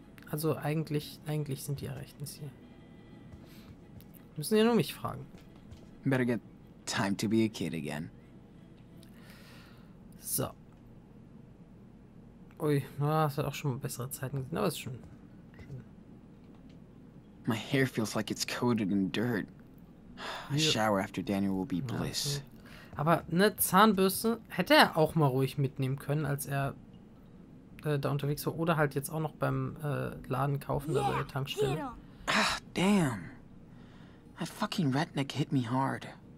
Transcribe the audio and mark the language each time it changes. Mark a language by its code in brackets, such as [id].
[de] Also eigentlich sind die ja rechtens hier. Müssen ja nur mich fragen. [en] Better get time to be a kid again. So. [de] Ui, na, es hat auch schon mal bessere Zeiten gesehen, aber es ist schon. [en] My hair feels like it's coated in dirt. A shower after Daniel will be bliss. Okay. [de] Aber eine Zahnbürste hätte er auch mal ruhig mitnehmen können, als er da unterwegs war. Oder halt jetzt auch noch beim Laden kaufen oder bei der Tankstelle. [en] Ach, damn. That fucking redneck hit me hard.